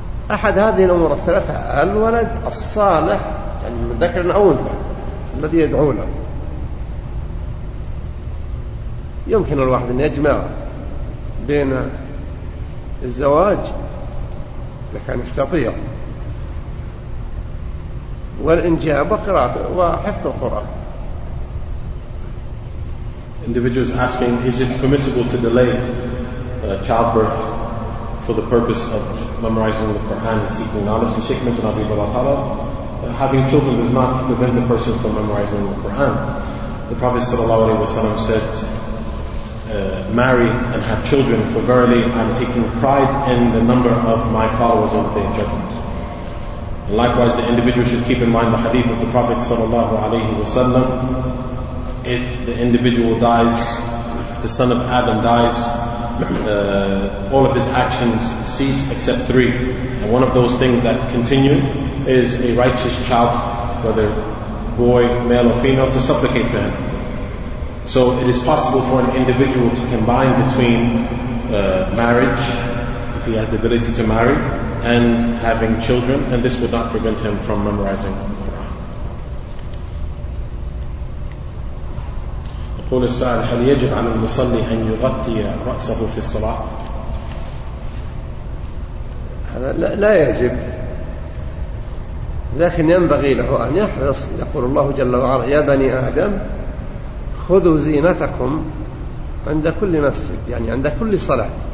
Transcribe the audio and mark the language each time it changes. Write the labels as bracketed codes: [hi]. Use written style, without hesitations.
[ar] أحد هذه الأمور الثلاثة: الولد الصالح يعني من ذكر العونة الذي يدعو له، يمكن الواحد أن يجمع بين الزواج إذا كان يستطيع، والإنجاب وقراءة وحفظ القرآن. [en] Individuals asking, is it permissible to delay childbirth for the purpose of memorizing the Quran and seeking knowledge? The Sheikh mentioned, Rahimahullah Ta'ala, having children does not prevent the person from memorizing the Quran. The Prophet Sallallahu Alaihi Wasallam said, marry and have children, for verily I'm taking pride in the number of my followers on the Day of Judgment. And likewise, the individual should keep in mind the hadith of the Prophet Sallallahu Alaihi Wasallam: if the individual dies, the son of Adam dies, all of his actions cease except three. And one of those things that continue is a righteous child, whether boy, male or female, to supplicate for him. So it is possible for an individual to combine between marriage, if he has the ability to marry, and having children, and this would not prevent him from memorizing. [ar] قول السائل: هل يجب على المصلي أن يغطي رأسه في الصلاة؟ هذا لا يجب، لكن ينبغي له أن يحرص. يقول الله جل وعلا: يا بني آدم خذوا زينتكم عند كل مسجد، يعني عند كل صلاة.